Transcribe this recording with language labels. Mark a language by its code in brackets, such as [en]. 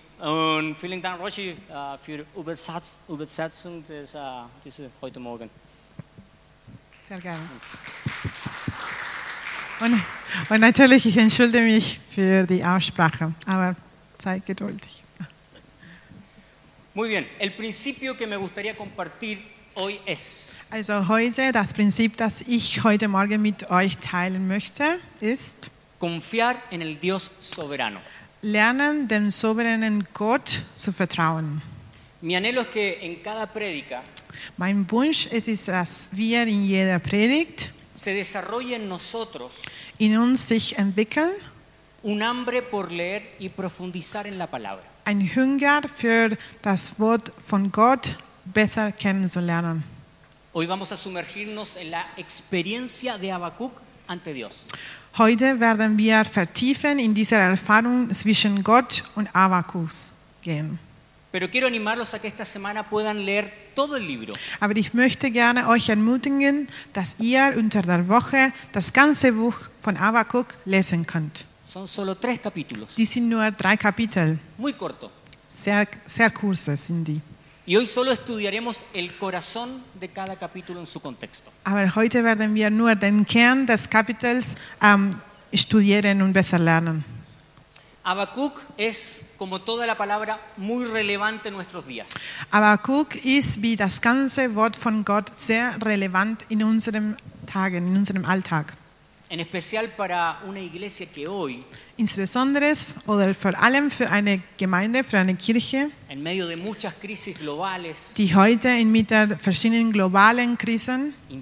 [de] Und vielen Dank, Roshi, für Übersetzung dieses heute Morgen. Sehr gerne. Und natürlich, ich entschuldige mich für die Aussprache, aber sei geduldig. [es] Muy bien. El principio que me gustaría compartir hoy es. [de] Also heute, das Prinzip, das ich heute Morgen mit euch teilen möchte, ist [es] confiar en el Dios soberano. [de] Lernen, dem souveränen Gott zu vertrauen. [es] Mi anhelo es que en cada predica, [de] mein Wunsch es ist, dass wir in jeder Predigt [es] se desarrolle en nosotros [de] in uns sich entwickeln [es] un hambre por leer y profundizar en la palabra. [de] Ein Hunger für das Wort von Gott besser kennenzulernen. [es] Hoy vamos a sumergirnos en la experiencia de Habacuc ante Dios. [de] Heute werden wir vertiefen in dieser Erfahrung zwischen Gott und Habakkuk gehen. [es] Pero quiero animarlos a que esta semana puedan leer todo el libro. [de] Aber ich möchte gerne euch ermutigen, dass ihr unter der Woche das ganze Buch von Habakkuk lesen könnt. [es] Son solo tres capítulos. [de] Die sind nur drei Kapitel. [es] Muy corto. [de] Sehr, sehr kurze sind die. [es] Y hoy solo estudiaremos el corazón de cada capítulo en su contexto. [de] Aber heute werden wir nur den Kern des Kapitels studieren und besser lernen. [es] Habacuc es como toda la palabra muy relevante en nuestros días. [de] Habacuc ist wie das ganze Wort von Gott sehr relevant in unseren Tagen, in unserem Alltag. [es] En especial para una iglesia que hoy [de] insbesondere oder vor allem für eine Gemeinde, für eine Kirche, [es] en medio de muchas crisis globales, [de] die heute inmitten verschiedenen globalen Krisen,